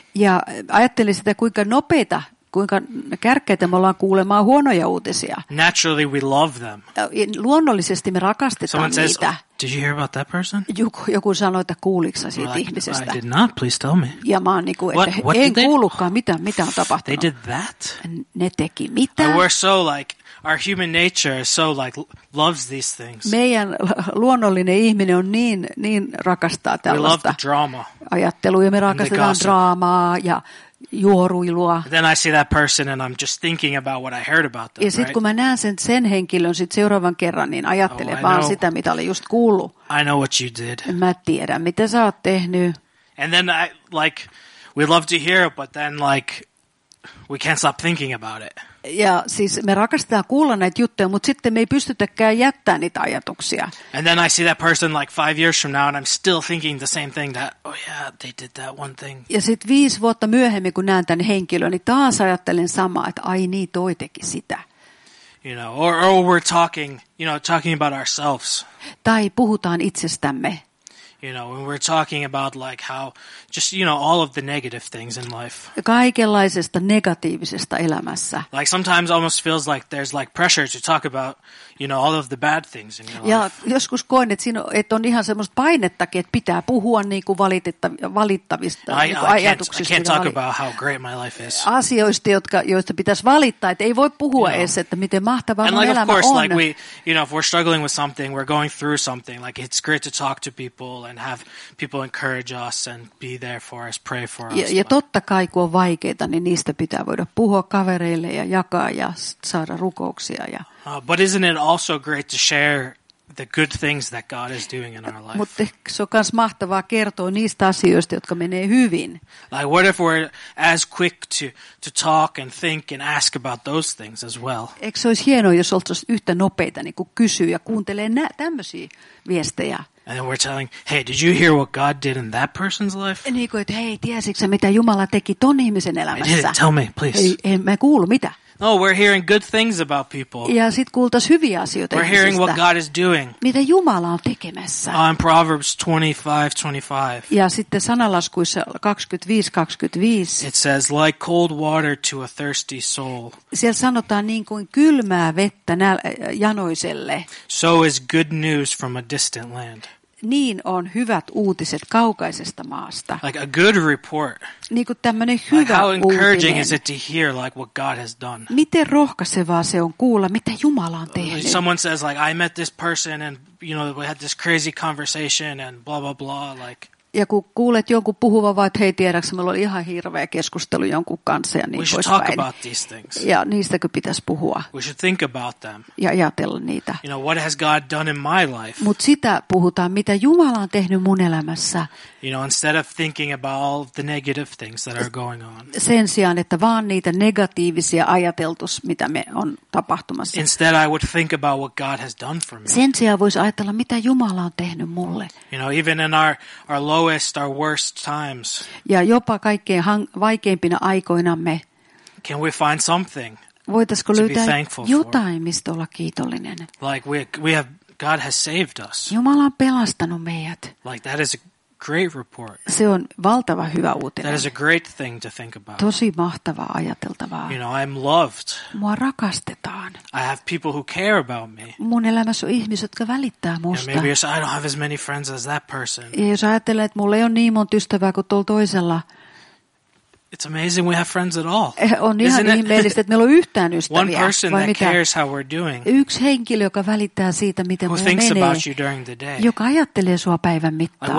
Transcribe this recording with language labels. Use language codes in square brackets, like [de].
[fi] Ja ajattelin sitä, kuinka nopeita. Kuinka kärkkäitä me ollaan kuulemaan huonoja uutisia. [en] Naturally we love them. [fi] Luonnollisesti me rakastetaan [en] Someone [fi] niitä. [en] Says, did you hear about that person? [fi] Joku sanoi, että kuuliksä siitä like, ihmisestä. [en] I did not, please tell me. [fi] Ja mä oon niinku, että what en kuullutkaan, mitä on tapahtunut. [en] They did that? [fi] Ne teki mitä? [en] And we're so like, our human nature is so like, loves these things. [fi] Meidän luonnollinen ihminen on niin rakastaa tällaista. [en] We love the drama. [fi] Ajattelua, ja me rakastetaan draamaa ja juoruilua. [en] Then I see that person and I'm just thinking about what I heard about them, [fi] ja sit, [en] right? [fi] Kun mä näen sen henkilön sit seuraavan kerran, niin ajattelen vaan [en] know, [fi] sitä, mitä oli just kuullut. [en] I know what you did. [fi] Mä tiedän, mitä sä oot tehnyt. [en] And then I, like, we love to hear it, but then, like, we can't stop thinking about it. [fi] Ja siis me rakastetaan kuulla näitä juttuja, mutta sitten me ei pystytäkään jättämään niitä ajatuksia. [en] And then I see that person like 5 years from now and I'm still thinking the same thing that, oh yeah, they did that one thing. [fi] Ja sitten 5 vuotta myöhemmin, kun näen tämän henkilön, niin taas ajattelen samaa, että ai niin, toi teki sitä. [en] You know, or we're talking, you know, talking about ourselves. [fi] Tai puhutaan itsestämme. [en] You know, when we're talking about like how, just you know, all of the negative things in life. [fi] Kaikenlaisesta negatiivisesta elämässä. [en] Like sometimes almost feels like there's like pressure to talk about, you know, all of the bad things in your life. [fi] Ja joskus koen, että on ihan semmoista painettakin, että pitää puhua niin kuin valittavista ajatuksista. [en] I can't talk about how great my life is. [fi] Asioista, joista pitäisi valittaa, että ei voi puhua [en] you know. [fi] Edes, että miten mahtavaa [en] like, [fi] elämä [en] course, [fi] on. [en] And like of course, like we, you know, if we're struggling with something, we're going through something, like it's great to talk to people. And have people encourage us and be there for us, pray for us. [fi] Ja totta kai, kun on vaikeita, niin niistä pitää voida puhua kavereille ja jakaa ja saada rukouksia. Ja. [en] But isn't it also great to share the good things that God is doing in our life? [fi] Mutta se on myös mahtavaa kertoa niistä asioista, jotka menee hyvin. [en] Like what if we're as quick to talk and think and ask about those things as well? [fi] Eikö se olisi hienoa, jos oltaisiin yhtä nopeita niin kuin kysyä ja kuuntelee tämmöisiä viestejä? [en] And then we're telling, hey, did you hear what God did in that person's life? [fi] Niin kuin, että hei, tiesitkö, mitä Jumala teki ton ihmisen elämässä? [en] Tell me, please. [fi] Ei, mä kuulu, mitä? [en] No, we're hearing good things about people. [fi] Ja sit kuultaisiin hyviä asioita [en] we're [fi] ihmisistä. [en] Hearing what God is doing. [fi] Mitä Jumala on tekemässä? [en] In Proverbs 25:25. [fi] Ja sitten sanalaskuissa 25:25. [en] It says, like cold water to a thirsty soul. [fi] Siellä sanotaan niin kuin kylmää vettä janoiselle. [en] So is good news from a distant land. [fi] Niin on hyvät uutiset kaukaisesta maasta. [en] Like a good report. [fi] Niin kuin tämmöinen hyvä [en] like how encouraging [fi] uutinen. [en] Is it to hear like what God has done? [fi] Miten rohkaisevaa se on kuulla, mitä Jumala on tehnyt? [en] Someone says like I met this person and you know we had this crazy conversation and blah blah blah like. [fi] Ja kun kuulet jonkun puhuvan vaan, että hei tiedäksä, meillä oli ihan hirveä keskustelu jonkun kanssa ja niin poispäin. Ja niistäkö pitäisi puhua. [en] We should think about them. [fi] Ja ajatella niitä. [en] You know, what has God done in my life? [fi] Mut sitä puhutaan, mitä Jumala on tehnyt mun elämässä. [en] You know, instead of thinking about all the negative things that are going on. [fi] Sen sijaan, että vaan niitä negatiivisia ajateltus, mitä me on tapahtumassa. [en] Instead I would think about what God has done for me. [fi] Sen sijaan voisi ajatella, mitä Jumala on tehnyt mulle. [en] You know, even in our lowest our worst times. [fi] Ja jopa kaikkein vaikeimpina aikoinamme. [en] Can we find something? [fi] Voitaisko löytää jotain [en] for? [fi] Mistä olla kiitollinen? [en] Like we have God has saved us. [fi] Jumala on pelastanut meidät. [en] Like that is a great report. [fi] Se on valtava hyvä uutinen. [en] That is a great thing to think about. [fi] Tosi mahtavaa ajateltavaa. [en] You know, I'm loved. [fi] Mua rakastetaan. [en] I have people who care about me. [fi] Mun elämässä on ihmiset, jotka välittää musta. [en] You know, maybe I don't have as many friends as that person. [fi] Ja jos ajattelet, että mulla ei ole niin monta ystävää kuin tuolla toisella. [en] It's amazing we have friends at all. [fi] On ihan ihmeellistä, että meillä on yhtään ystäviä. [en] One person that cares how we're doing. [fi] Yksi henkilö, joka välittää siitä, miten me menee. [en] Who thinks about you during the day. [fi] Joka ajattelee sua päivän mittaan.